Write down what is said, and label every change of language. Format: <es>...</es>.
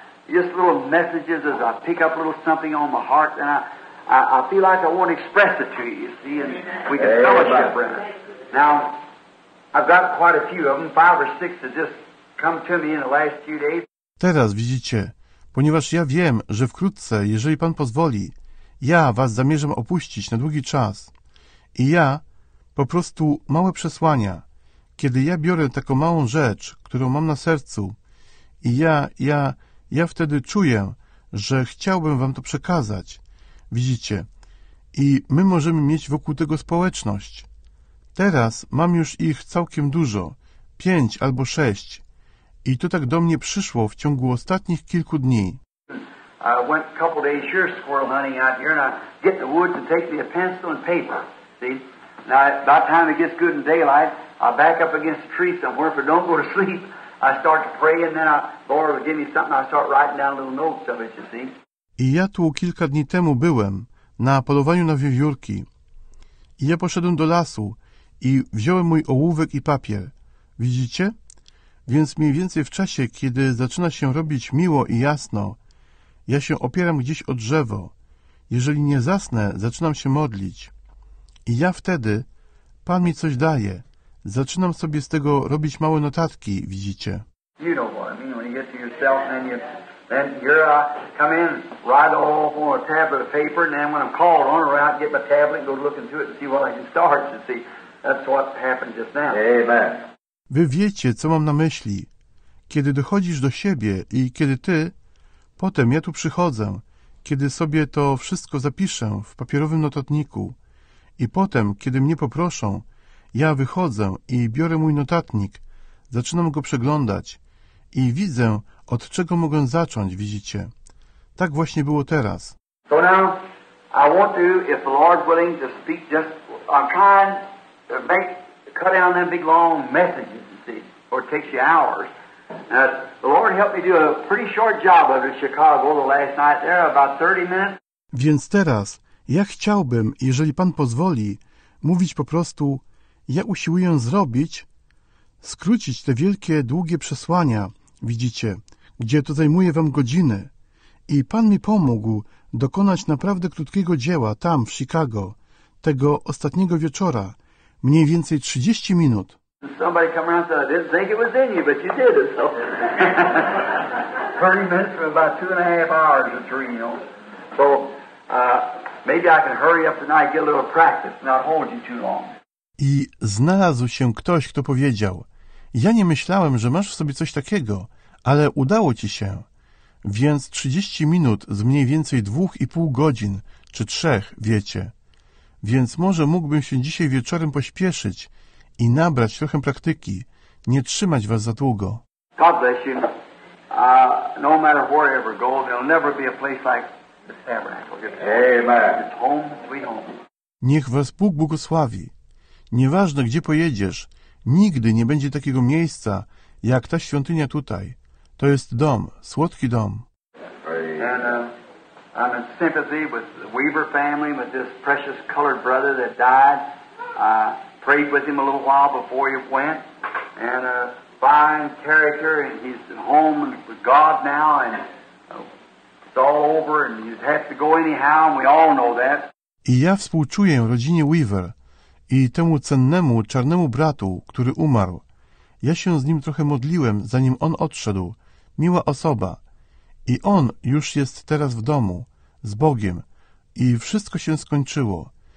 <en>Just little messages as I pick up a little something on my heart, and I feel like I want to express it to you, you see, and we can fellowship around it. Now, I've got quite a few of them, five or six have just come to me in the last few days.</en> <pl>Teraz widzicie, ponieważ ja wiem, że wkrótce, jeżeli Pan pozwoli, ja Was zamierzam opuścić na długi czas. I ja, po prostu małe przesłania, kiedy ja biorę taką małą rzecz, którą mam na sercu, i ja wtedy czuję, że chciałbym wam to przekazać. Widzicie? I my możemy mieć wokół tego społeczność. Teraz mam już ich całkiem dużo. 5 albo 6. I to tak do mnie przyszło w ciągu ostatnich kilku dni.</pl> <en>I went a couple days here squirrel hunting out here and I get the woods and take me a pencil and paper. See? Now, by the time it gets good in daylight, I back up against a tree somewhere for don't go to sleep. I start to pray and then the Lord will give me something. I start writing down little notes of it, you see.</en> <pl>I ja tu kilka dni temu byłem na polowaniu na wiewiórki. I ja poszedłem do lasu i wziąłem mój ołówek i papier. Widzicie? Więc mniej więcej w czasie, kiedy zaczyna się robić miło i jasno, ja się opieram gdzieś o drzewo. Jeżeli nie zasnę, zaczynam się modlić. I ja wtedy, Pan mi coś daje. Zaczynam sobie z tego robić małe notatki, widzicie.</pl> <en>You know what I mean, when you get to yourself, then you're, come in, write all on a tablet of paper, and then when I'm called on, I'll out, get my tablet, go look into it and see what I can start, you see. That's what happened just now. Amen.</en> <pl>Wy wiecie, co mam na myśli. Kiedy dochodzisz do siebie i kiedy ty, potem ja tu przychodzę, kiedy sobie to wszystko zapiszę w papierowym notatniku i potem, kiedy mnie poproszą, ja wychodzę i biorę mój notatnik, zaczynam go przeglądać i widzę, od czego mogę zacząć, widzicie. Tak właśnie było teraz.</pl> <en>So now, I want to, if the Lord's willing to speak, just, I'm trying to make, cut down them big long messages, you see, or it takes you hours. Now, the Lord helped me do a pretty short job of it in Chicago the last night there, about 30 minutes.</en> <pl>Więc teraz, ja chciałbym, jeżeli Pan pozwoli, mówić po prostu... Ja usiłuję zrobić, skrócić te wielkie, długie przesłania, widzicie, gdzie to zajmuje wam godziny. I Pan mi pomógł dokonać naprawdę krótkiego dzieła tam, w Chicago, tego ostatniego wieczora, mniej więcej 30 minut. Somebody come around and said, I didn't think it was in you, but you did it, so. 30 minutes from about 2.5 hours of dreaming, you know. So, maybe I can hurry up tonight, get a little practice, not hold you too long. I znalazł się ktoś, kto powiedział, ja nie myślałem, że masz w sobie coś takiego, ale udało ci się. Więc 30 minut z mniej więcej 2,5 godzin, czy 3, wiecie. Więc może mógłbym się dzisiaj wieczorem pośpieszyć i nabrać trochę praktyki, nie trzymać was za długo.</pl> <en>God bless you. No matter where ever go, there'll never be a place like this tabernacle. Amen. It's home, sweet home.</en> <pl>Niech was Bóg błogosławi. Nieważne, gdzie pojedziesz, nigdy nie będzie takiego miejsca, jak ta świątynia tutaj. To jest dom, słodki dom.</pl> <en>And, I'm in sympathy with the Weaver family, with this precious colored brother that died. I prayed with him a little while before he went. And fine character, and he's at home with God now, and it's all over, and he's had to go anyhow, and we all know that.</en> <pl>I ja współczuję rodzinie Weaver i temu cennemu czarnemu bratu, który umarł. Ja się z nim trochę modliłem, zanim on odszedł. Miła osoba. I on już jest teraz w domu, z Bogiem. I wszystko się skończyło.</pl>